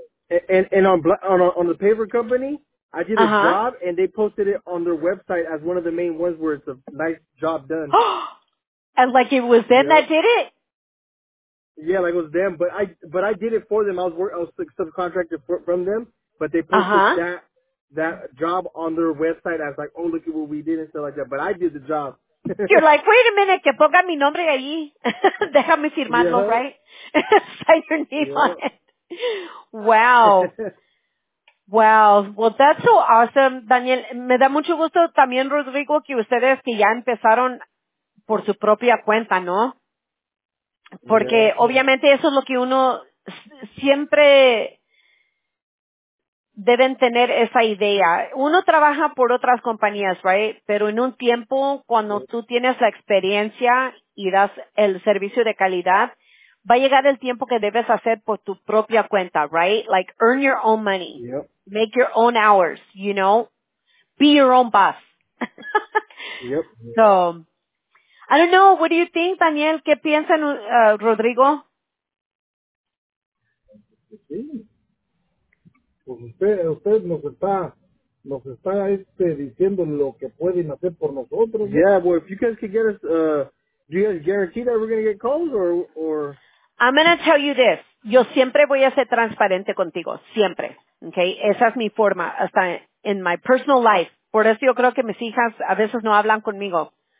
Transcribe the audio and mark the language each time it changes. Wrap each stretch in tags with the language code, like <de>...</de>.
<en>And on the paper company, I did a job, and they posted it on their website as one of the main ones where it's a nice job done. And like it was them that did it? Yeah, like it was them, but I did it for them. I was subcontracted from them, but they posted that job on their website as like, oh, look at what we did and stuff like that. But I did the job. You're like, wait a minute,</en> <es>que ponga mi nombre ahí. Déjame firmarlo,</es> <en>right? Sign your name on it. Wow. Wow. Well, that's so awesome, Daniel.</en> <es>Me da mucho gusto también, Rodrigo, que ustedes que ya empezaron por su propia cuenta, ¿no? Porque obviamente eso es lo que uno siempre deben tener esa idea. Uno trabaja por otras compañías, right? Pero en un tiempo, cuando tú tienes la experiencia y das el servicio de calidad, va a llegar el tiempo que debes hacer por tu propia cuenta, right?</es> <en>Like, earn your own money. Yep. Make your own hours, you know? Be your own boss. Yep. So, I don't know, what do you think, Daniel?</en> <es>¿Qué piensan, Rodrigo? Sí. Pues usted nos está diciendo lo que pueden hacer por nosotros.</es> <en>Yeah, well, if you guys could get us, do you guys guarantee that we're going to get calls, or? I'm going to tell you this.</en> <es>Yo siempre voy a ser transparente contigo, siempre, okay? Esa es mi forma, hasta en</es> <en>my personal life.</en> <es>Por eso yo creo que mis hijas a veces no hablan conmigo.</es>